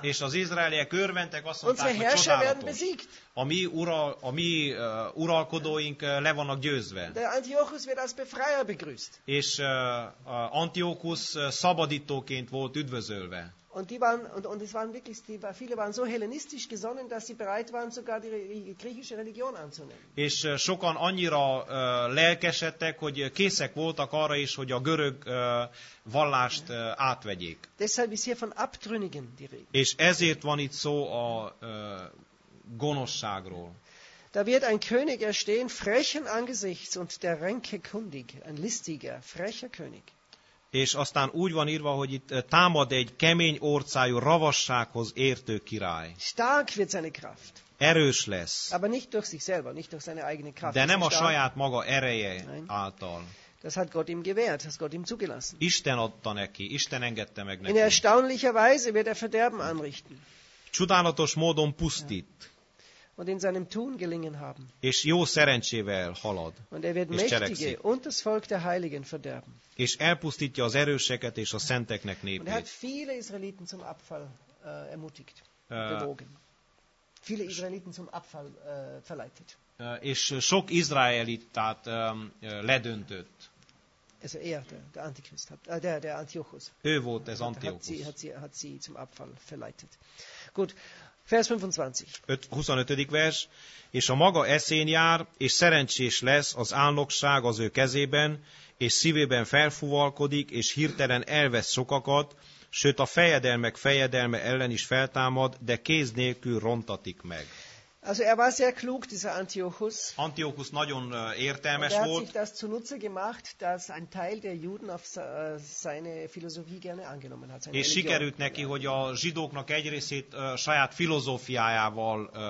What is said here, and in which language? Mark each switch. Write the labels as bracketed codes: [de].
[hu] És az izraeliek örventek, azt mondták, hogy csodálatos. A mi uralkodóink le vannak győzve. [de] De Antiochus wird als Befreier begrüßt. [hu] És Antiochus szabadítóként volt üdvözölve. [de] Und die waren und es waren wirklich die, viele waren so hellenistisch gesonnen, dass sie bereit waren, sogar die griechische Religion anzunehmen. [hu] És sokan annyira lelkesedtek, hogy készek voltak arra is, hogy a görög vallást átvegyék. [de] Deshalb ist hier von Abtrünnigen die Rede. [hu] És ezért van itt szó a gonoszságról. [de] Da wird ein König erstehen, frechen Angesichts und der Ränke kundig, ein listiger, frecher König. [hu] És aztán úgy van írva, hogy itt támad egy kemény orcájú ravassághoz értő király. [de] Stark wird seine Kraft. [hu] Erős lesz. [de] Aber nicht durch sich selber, nicht durch seine eigene Kraft. [hu] De nem a saját maga ereje által. [de] Das hat Gott ihm gewährt, das Gott ihm zugelassen. [hu] Isten adta neki, Isten engedte meg neki. [de] In erstaunlicher Weise wird Verderben anrichten. [hu] Csodálatos módon pusztít. [de] Und in seinem Tun gelingen haben. [hu] És jó szerencsével halad. [de] Und wird mächtige und das Volk der Heiligen verderben. [hu] És elpusztítja az erőseket és a szenteknek népét. [de] Und hat viele Israeliten zum Abfall ermutigt, bewogen. Viele Israeliten zum Abfall verleitet. [hu] És sok izraelitát ledöntött. [de] Also der Antichrist, der Antiochus. [hu] Ő volt ez Antiochus. [de] Hat sie zum Abfall verleitet. Gut. Vers 25. 25. [hu] vers, és a maga eszén jár, és szerencsés lesz az álnokság az ő kezében, és szívében felfuvalkodik, és hirtelen elvesz sokakat, sőt a fejedelmek fejedelme ellen is feltámad, de kéz nélkül rontatik meg. [de] Also war sehr klug, dieser Antiochus. [hu] Antiochus nagyon értelmes volt. [de] Er hat sich das zunutze gemacht, dass ein Teil der Juden auf seine Philosophie gerne angenommen hat. [hu] És sikerült neki, hogy a zsidóknak egy részét saját filozófiájával